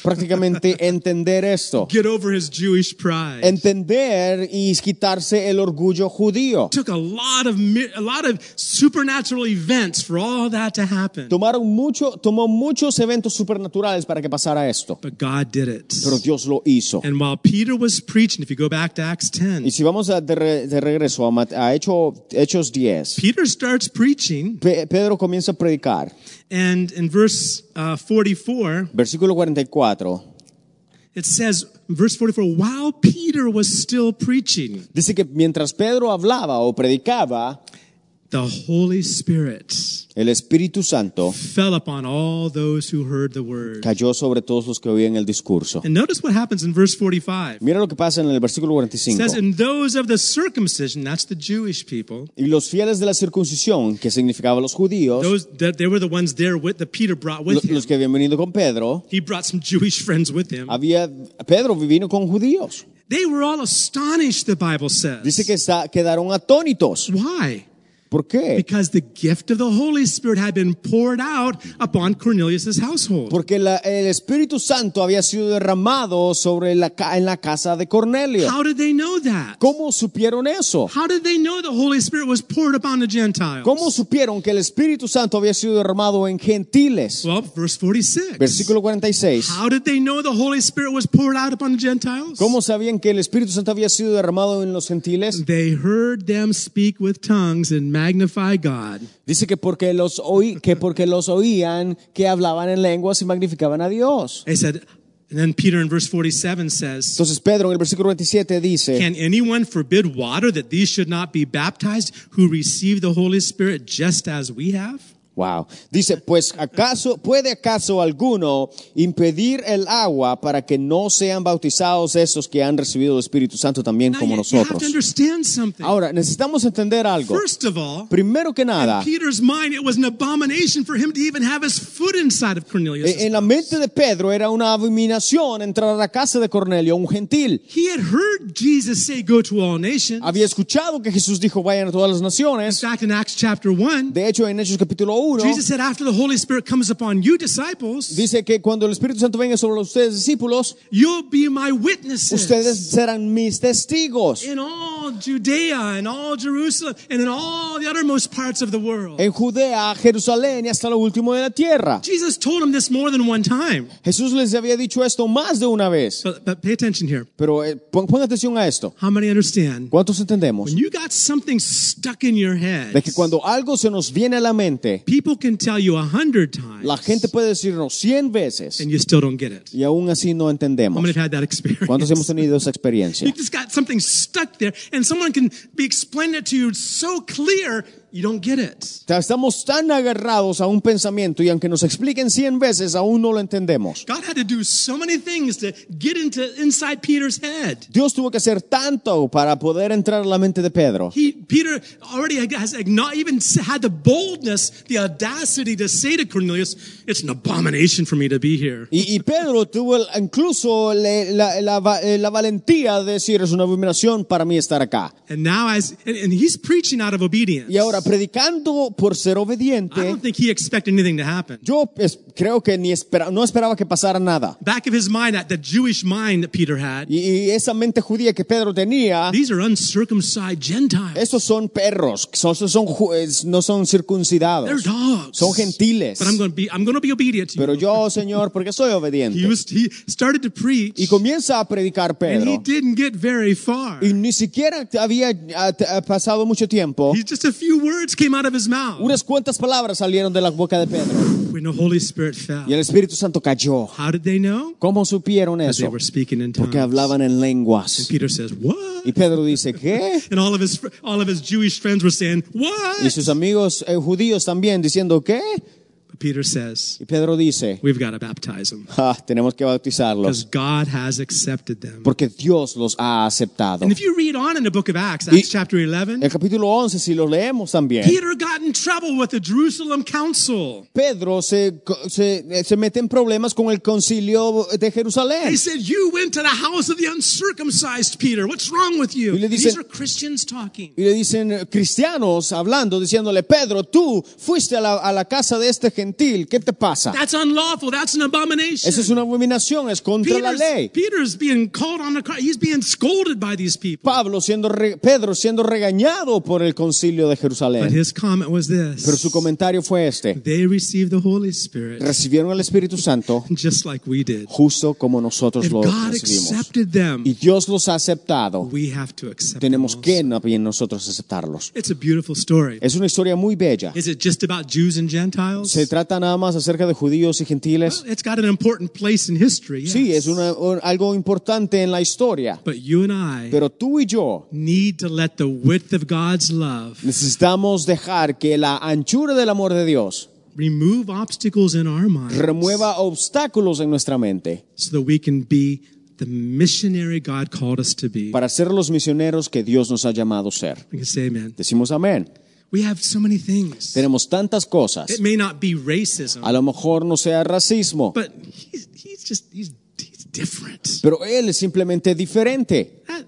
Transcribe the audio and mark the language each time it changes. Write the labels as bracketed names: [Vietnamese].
[Spanish] Prácticamente entender esto. [English] Get over his Jewish pride. [Spanish] Entender y quitarse el orgullo judío. [English] Took a lot of supernatural events for all that to happen. [Spanish] Tomó muchos eventos supernaturales para que pasara esto. [English] But God did it. [Spanish] Pero Dios lo hizo. [English] And while Peter was preaching, if you go back to Acts 10. [Spanish] Y si vamos de regreso a Hechos 10. [English] Peter starts preaching. [Spanish] Pedro comienza a predicar. [English] And in verse 44, while Peter was still preaching. [Spanish] Dice que mientras Pedro hablaba o predicaba, [English] the Holy Spirit, [Spanish] el Espíritu Santo, [English] fell upon all those who heard the word. [Spanish] Cayó sobre todos los que oían el discurso. [English] And notice what happens in verse 45. [Spanish] Mira lo que pasa en el versículo 45. [English] It says, "And those of the circumcision," that's the Jewish people. [Spanish] Y los fieles de la circuncisión, que significaba los judíos. [English] Those that they were the ones there with that Peter brought with him. [Spanish] Los que habían venido con Pedro. [English] He brought some Jewish friends with him. [Spanish] Pedro vino con judíos. [English] They were all astonished. The Bible says. [Spanish] Dice que quedaron atónitos. [English] Why? [Spanish] ¿Por qué? [English] Because the gift of the Holy Spirit had been poured out upon Cornelius' household. [Spanish] Porque el Espíritu Santo había sido derramado sobre en la casa de Cornelio. [English] How did they know that? [Spanish] ¿Cómo supieron eso? [English] How did they know the Holy Spirit was poured upon the Gentiles? [Spanish] ¿Cómo supieron que el Espíritu Santo había sido derramado en gentiles? [English] Well, verse 46. [Spanish] Versículo 46. [English] How did they know the Holy Spirit was poured out upon the Gentiles? [Spanish] ¿Cómo sabían que el Espíritu Santo había sido derramado en los gentiles? [English] They heard them speak with tongues and magnify God. [Spanish] Dice que porque los oían que hablaban en lenguas y magnificaban a Dios. [English] And then Peter in verse 47 says, [Spanish] entonces Pedro en el versículo 27 dice, [English] can anyone forbid water that these should not be baptized who receive the Holy Spirit just as we have? Wow. [Spanish] Dice, pues acaso, ¿puede acaso alguno impedir el agua para que no sean bautizados esos que han recibido el Espíritu Santo también [English] Now [Spanish] como nosotros? [English] You have to understand something. [Spanish] Ahora, necesitamos entender algo. [English] First of all, [Spanish] primero que nada, [English] in Peter's mind, it was an abomination for him to even have his foot inside of Cornelius. [Spanish] En la mente de Pedro era una abominación entrar a la casa de Cornelio, un gentil. [English] He had heard Jesus say, go to all nations. [Spanish] Había escuchado que Jesús dijo, vayan a todas las naciones. [English] In fact, in Acts chapter 1, [Spanish] de hecho, en Hechos capítulo 1, [English] Jesus said, after the Holy Spirit comes upon you, disciples, [Spanish] dice que cuando el Espíritu Santo venga sobre ustedes, discípulos, [English] you'll be my witnesses. [Spanish] Ustedes serán mis testigos. [English] In all Judea, in all Jerusalem, and in all the uttermost parts of the world. [Spanish] En Judea, Jerusalén, y hasta lo último de la tierra. [English] Jesus told them this more than one time. [Spanish] Jesús les había dicho esto más de una vez. [English] But pay attention here. [Spanish] Pero pon atención a esto. [English] How many understand? [Spanish] ¿Cuántos entendemos? [English] When you got something stuck in your head, [Spanish] de que cuando algo se nos viene a la mente, [English] people can tell you 100 times. [Spanish] La gente puede decirnos 100 veces. [English] And you still don't get it. [Spanish] Y aún así no entendemos. [English] How many have had that experience? [Spanish] ¿Cuántos hemos tenido esa experiencia? [English] You just got something stuck there, and someone can be explaining it to you so clear. you don't get it. [Spanish] Estamos tan agarrados a un pensamiento y aunque nos expliquen 100 veces, aún no lo entendemos. [English] God had to do so many things to get into inside Peter's head. [Spanish] Dios tuvo que hacer tanto para poder entrar a la mente de Pedro. [English] Peter already has not even had the boldness, the audacity to say to Cornelius, "It's an abomination for me to be here." [Spanish] Y Pedro tuvo incluso la valentía de decir, "Es una abominación para mí estar acá." [English] And now, and he's preaching out of obedience. [Spanish] Y ahora predicando por ser obediente. [English] I don't think he expected anything to happen. [Spanish] Yo creo que ni esperaba, no esperaba que pasara nada. [English] Back of his mind, that Jewish mind that Peter had. [Spanish] Y esa mente judía que Pedro tenía. [English] These are uncircumcised Gentiles. [Spanish] Esos son perros, no son circuncidados. [English] They're dogs. [Spanish] Son gentiles. [English] But I'm going to be obedient to you. [Spanish] Pero yo, Señor, porque soy obediente. [English] He started to preach. [Spanish] Y comienza a predicar Pedro. [English] And he didn't get very far. [Spanish] Y ni siquiera había pasado mucho tiempo. [English] Just a few words came out of his mouth. [Spanish] Unas cuantas palabras salieron de la boca de Pedro. [English] When the Holy Spirit fell. [Spanish] Y el Espíritu Santo cayó. [English] How did they know? [Spanish] ¿Cómo supieron eso? [English] They were speaking in tongues. [Spanish] Porque hablaban en lenguas. [English] And Peter says, "What?" [Spanish] Y Pedro dice, ¿qué? [English] And all of his Jewish friends were saying, "What?" [Spanish] Y sus amigos judíos también diciendo, ¿qué? [English] Peter says, [Spanish] y Pedro dice, [English] we've got to baptize them. [Spanish] Tenemos que bautizarlos. [English] Because God has accepted them. [Spanish] Porque Dios los ha aceptado. [English] And if you read on in the book of Acts, Acts chapter 11, [Spanish] el capítulo 11, si lo leemos también, [English] Peter got in trouble with the Jerusalem Council. [Spanish] Pedro se mete en problemas con el concilio de Jerusalén. [English] They said, "You went to the house of the uncircumcised Peter. What's wrong with you?" [Spanish] Y le dicen, [English] these are Christians talking. [Spanish] Y le dicen cristianos hablando, diciéndole, Pedro, tú fuiste a la casa de este gentil, ¿qué te pasa? [English] That's unlawful. That's an abomination. [Spanish] Eso es una abominación, es contra [English] Peter's, [Spanish] la ley. [English] Peter's being called on the cross. He's being scolded by these people. [Spanish] Pedro siendo regañado por el concilio de Jerusalén. [English] But his comment was this. [Spanish] Pero su comentario fue este. [English] They received the Holy Spirit. [Spanish] Recibieron el Espíritu Santo. [English] Just like we did. [Spanish] Justo como nosotros [English] if [Spanish] lo [English] God [Spanish] recibimos. [English] Accepted them, [Spanish] y Dios los ha aceptado. [English] We have to accept [Spanish] tenemos [English] them [Spanish] que también nosotros aceptarlos. [English] It's a beautiful story. [Spanish] Es una historia muy bella. [English] Is it just about Jews and Gentiles? [Spanish] ¿Se trata nada más acerca de judíos y gentiles? [English] Well, it's got an important place in history, yes. [Spanish] Sí, es algo importante en la historia. [English] But you and I, [Spanish] pero tú y yo, [English] need to let the width of God's love, [Spanish] necesitamos dejar que la anchura del amor de Dios [English] remove obstacles in our minds, [Spanish] remueva obstáculos en nuestra mente, [English] so that we can be the missionary God called us to be. [Spanish] Para ser los misioneros que Dios nos ha llamado ser. [English] We can say amen. [Spanish] Decimos amén. [English] We have so many things. [Spanish] Tenemos tantas cosas. [English] It may not be racism. [Spanish] A lo mejor no sea racismo. [English] But he's different. [Spanish] Pero él es simplemente diferente.